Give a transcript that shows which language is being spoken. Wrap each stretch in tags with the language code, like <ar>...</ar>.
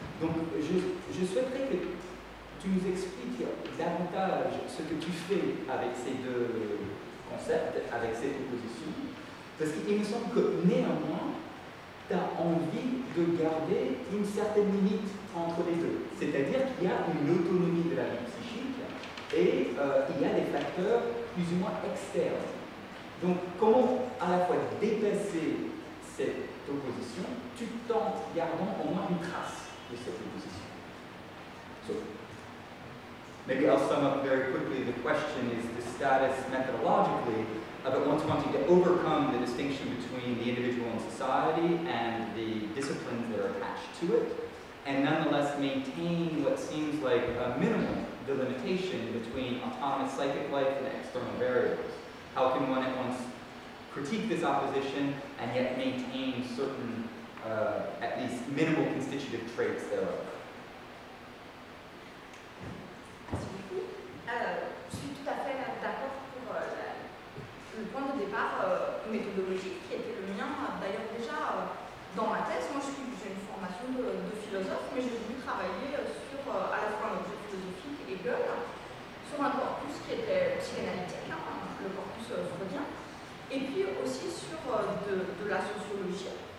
<fr>Donc je souhaiterais que tu nous expliques davantage ce que tu fais avec ces deux concepts, avec ces propositions, parce qu'il me semble que néanmoins, tu as envie de garder une certaine limite entre les deux. C'est-à-dire qu'il y a une autonomie de la vie psychique, Et il y a des facteurs plus ou moins externes. Donc, comment à la fois dépasser cette opposition tout en gardant au moins une trace de cette opposition?</fr> <en>So, maybe I'll sum up very quickly. The question is the status methodologically of it once wanting to overcome the distinction between the individual and society and the disciplines that are attached to it, and nonetheless maintain what seems like a minimal delimitation between autonomous psychic life and external variables. How can one at once critique this opposition and yet maintain certain, at least minimal constitutive traits thereof?</en> <fr>Je suis tout à fait d'accord pour le point de départ méthodologique qui était le mien. D'ailleurs, déjà dans ma thèse, moi j'ai une formation de philosophe, mais j'ai voulu travailler sur à la fois un objet philosophique et Hegel, sur un corpus qui était psychanalytique, hein, le corpus freudien, et puis aussi sur de la sociologie.</fr>